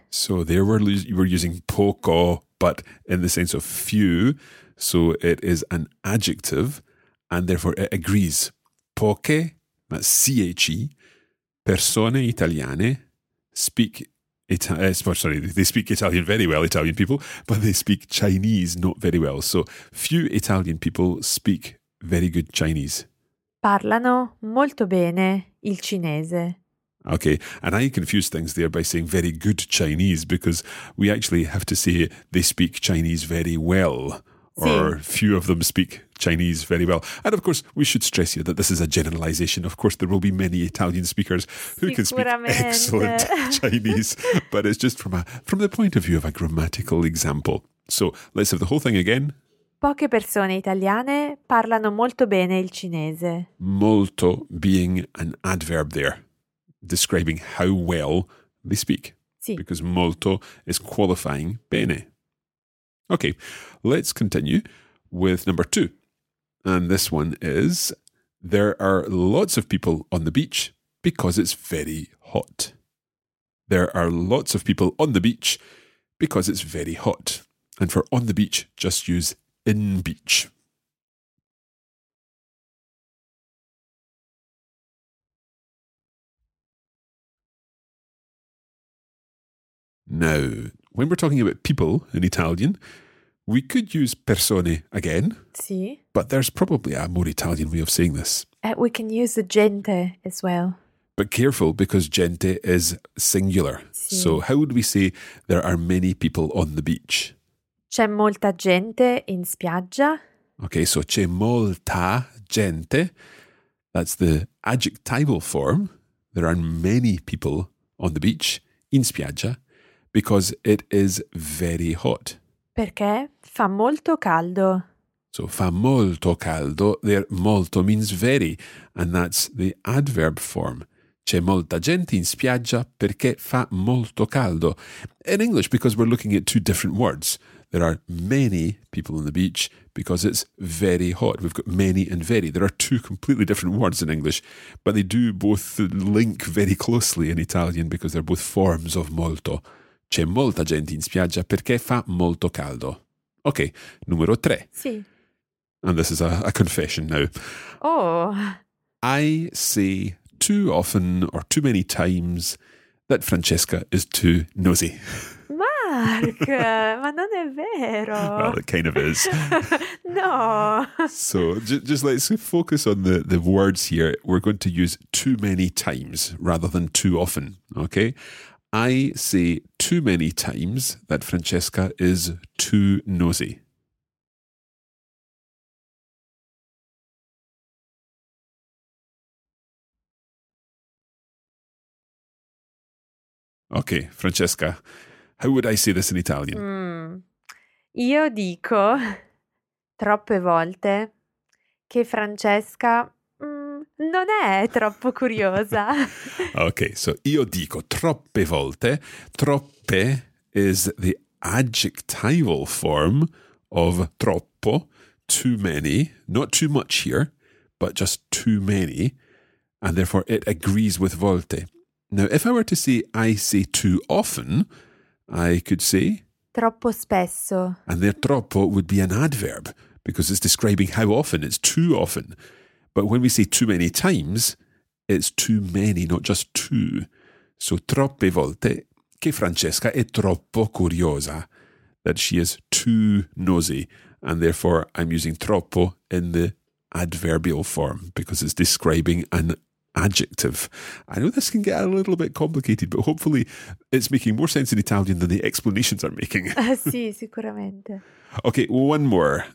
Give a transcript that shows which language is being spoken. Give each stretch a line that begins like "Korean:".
English: So there we're using poco, but in the sense of few, so it is an adjective, and therefore it agrees. Poche, that's C-H-E,
Italian: persone italiane,
English: speak Italian very well, Italian people, but they speak Chinese not very well. So few Italian people speak very good Chinese.
Italian: Parlano molto bene il cinese.
English: Okay, and I confused things there by saying very good Chinese, because we actually have to say they speak Chinese very well, or
Italian: sì,
English: few of them speak Chinese very well. And of course, we should stress here that this is a generalization. Of course, there will be many Italian speakers who can speak excellent Chinese, but it's just from the point of view of a grammatical example. So let's have the whole thing again.
Italian: Poche persone italiane parlano molto bene il cinese.
English: Molto being an adverb there, describing how well they speak.
Italian: Sì.
English: Because molto is qualifying bene. Okay, let's continue with number two. And this one is, there are lots of people on the beach because it's very hot. There are lots of people on the beach because it's very hot. And for on the beach, just use in beach. Now, when we're talking about people in Italian, we could use persone again.
Italian: Sì.
English: But there's probably a more Italian way of saying this. We can use the gente as well. But careful, because gente is singular.
Italian: Sì.
English: So how would we say there are many people on the beach?
Italian: C'è molta gente in spiaggia. Okay, so c'è molta gente.
English: That's the adjectival form. There are many people on the beach
Italian: in spiaggia
English: because it is very hot.
Italian: Perché fa molto caldo. So fa molto caldo.
English: There, molto means very, and that's the adverb form.
Italian: C'è molta gente in spiaggia perché fa molto caldo.
English: In English, because we're looking at two different words, there are many people on the beach because it's very hot. We've got many and very. There are two completely different words in English, but they do both link very closely in Italian because they're both forms of molto.
Italian: C'è molta gente in spiaggia perché fa molto caldo. Okay, numero tre. Sì.
English: And this is a confession now. Oh. I say too often or too many times that Francesca is too nosy.
Italian: Mark, ma non è vero.
English: Well, it kind of is. No. So just let's focus on the words here. We're going to use too many times rather than too often, okay? I say too many times that Francesca is too nosy. Okay, Francesca, how would I say this in Italian?
Italian: Io dico troppe volte che Francesca non è troppo curiosa. Okay, so io dico troppe volte.
English: Troppe is the adjectival form of troppo, too many, not too much here, but just too many, and therefore it agrees with volte. Now, if I were to say I say too often, I could say
Italian: troppo spesso.
English: And there troppo would be an adverb because it's describing how often, it's too often. But when we say too many times, it's too many, not just two.
Italian: So troppe volte che Francesca è troppo curiosa,
English: that she is too nosy. And therefore, I'm using troppo in the adverbial form because it's describing an adjective. I know this can get a little bit complicated, but hopefully it's making more sense in Italian than the explanations are making.
Italian: Sì, sicuramente.
English: Okay, one more.